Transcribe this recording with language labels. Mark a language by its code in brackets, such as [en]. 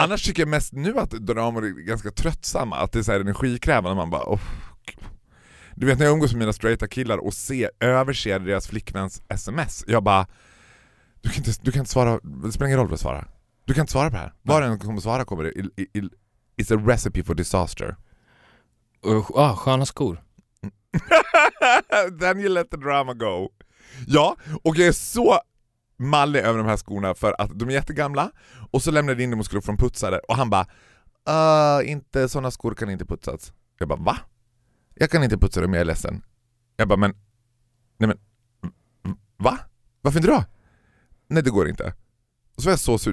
[sv] Annars tycker jag mest nu att drama är ganska tröttsamma. Att det är så här energikrävande. Man bara, oh. Du vet när jag umgås med mina straighta killar och överser deras flickväns sms. Jag bara, du kan inte svara. Det spelar ingen roll vad du svarar. Du kan inte svara på det här. Var den kommer svara kommer det. [en] It's a recipe for disaster. [sv] Sköna skor. [en] Then you let the drama go. [sv] Ja, och jag är så mallig över de här skorna för att de är jättegamla. Och så lämnade jag in dem och skulle få dem putsade. Och han bara, inte sådana skor kan inte putsas. Jag bara, va? Jag kan inte putsa dem, jag är ledsen. Jag bara, men, nej men, va? Varför inte då? Nej, det går inte. Och så var jag så sur.